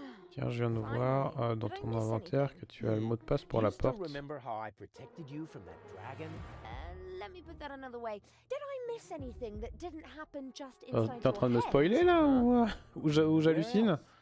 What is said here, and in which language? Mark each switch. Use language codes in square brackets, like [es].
[fr] Tiens, je viens de voir dans ton inventaire que tu as le mot de passe pour la porte. [en] Let me put that another way. Did I miss anything that didn't happen just inside your head? [fr] T'es en train de me spoiler là ou j'hallucine?